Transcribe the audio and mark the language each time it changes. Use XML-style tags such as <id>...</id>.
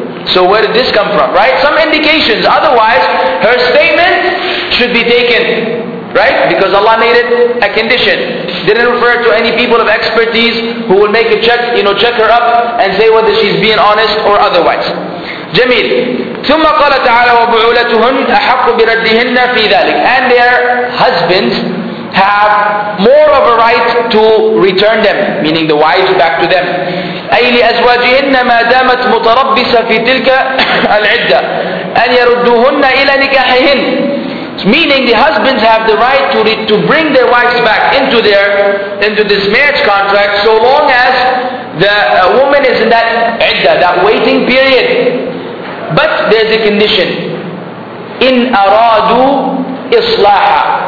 <en>So where did this come from, right? Some indications. Otherwise, her statement should be taken, right? Because Allah made it a condition. Didn't refer to any people of expertise who will make a check, you know, check her up and say whether she's being honest or otherwise.</en> <ar>Jameel. ثم قال تعالى وبعولتهن أحق بردهن في ذلك.</ar> <en>And their husbands have more of a right to return them, meaning the wives back to them.</en> <ar>أي لأزواجهن ما دامت متربصة في تلك العدة أن يردوهن إلى نكاحهن.</ar> <en>Meaning the husbands have the right to bring their wives back into this marriage contract, so long as the woman is in that عدة, that waiting period. But there's a condition.</en> <ar>إن أرادوا إصلاحا.</ar>